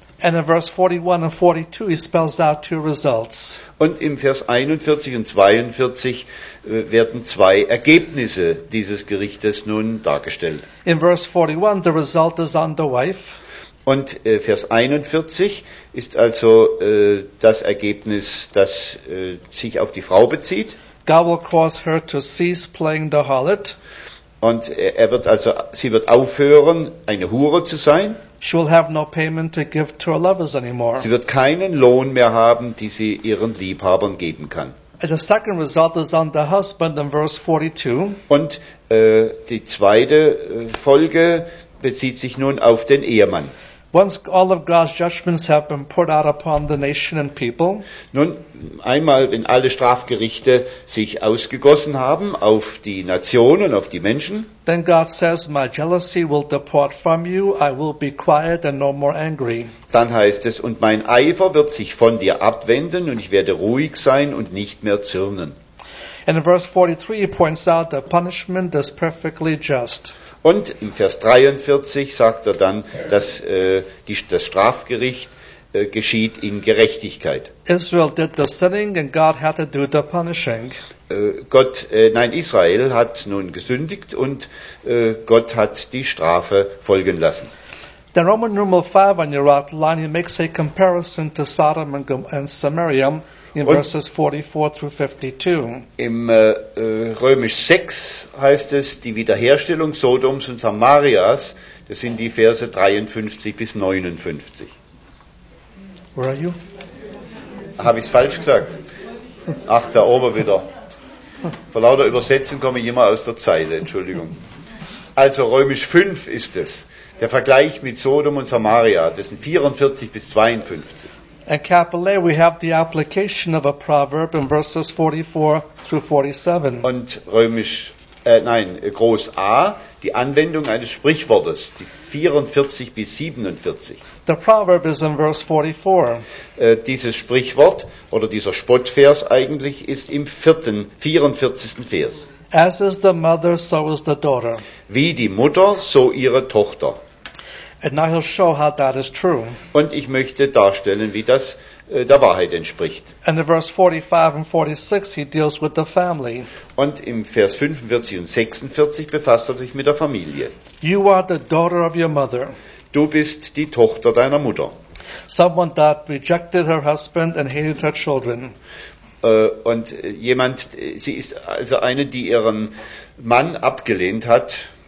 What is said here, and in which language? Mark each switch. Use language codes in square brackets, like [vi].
[en] And in verse 41 and 42, he spells out two results. [de] Und im Vers 41 und 42 werden zwei Ergebnisse dieses Gerichtes nun dargestellt. [en] In verse 41, the result is on the wife. [de] Und Vers 41 ist also das Ergebnis, das sich auf die Frau bezieht. [en] God will cause her to cease playing the harlot. [de] Und sie wird aufhören, eine Hure zu sein. [en] She will have no payment to give to her lovers anymore. [de] Sie wird keinen Lohn mehr haben, die sie ihren Liebhabern geben kann. [en] And the second result is on the husband in verse 42. [de] Und die zweite Folge bezieht sich nun auf den Ehemann. [en] Once all of God's judgments have been poured out upon the nation and people, [de] nun einmal, wenn alle Strafgerichte sich ausgegossen haben auf die Nationen, auf die Menschen, [en] then God says, "My jealousy will depart from you. I will be quiet and no more angry." [de] Dann heißt es, und mein Eifer wird sich von dir abwenden und ich werde ruhig sein und nicht mehr zürnen. [en] And in verse 43, he points out the punishment is perfectly just. [de] Und im Vers 43 sagt er dann, dass das Strafgericht geschieht in Gerechtigkeit. [en] Israel did the sinning and God had to do the punishing. [de] Israel hat nun gesündigt und Gott hat die Strafe folgen lassen. [en] Then Roman numeral 5 on your outline, he makes a comparison to Sodom and Samaria. In verses 44 through 52. [de] Im Römisch 6 heißt es, die Wiederherstellung Sodoms und Samarias, das sind die Verse 53 bis 59. [en] Where are you? [de] Habe ich es falsch gesagt? Ach, da oben wieder. Vor lauter Übersetzen komme ich immer aus der Zeile, Entschuldigung. Also Römisch 5 ist es, der Vergleich mit Sodom und Samaria, das sind 44 bis 52. [en] And Kapile, we have the application of a proverb in verses 44 through 47. [de] Und Römisch, Groß A, die Anwendung eines Sprichwortes, die 44 bis 47. [en] The proverb is in verse 44. [de] Dieses Sprichwort, oder dieser Spottvers eigentlich, ist im 44. Vers. [en] As is the mother, so is the daughter. [de] Wie die Mutter, so ihre Tochter. [en] And now he'll show how that is true. [de] Und ich möchte darstellen, wie das der Wahrheit entspricht. [en] And in verse 45 and 46 he deals with the family. [de] Und im Vers 45 und 46 befasst er sich mit der Familie. [en] You are the daughter of your mother. [de] Du bist die Tochter deiner Mutter. [en] Someone that rejected her husband and hated her children. [de] Und jemand, sie ist also eine, die ihren Mann abgelehnt hat.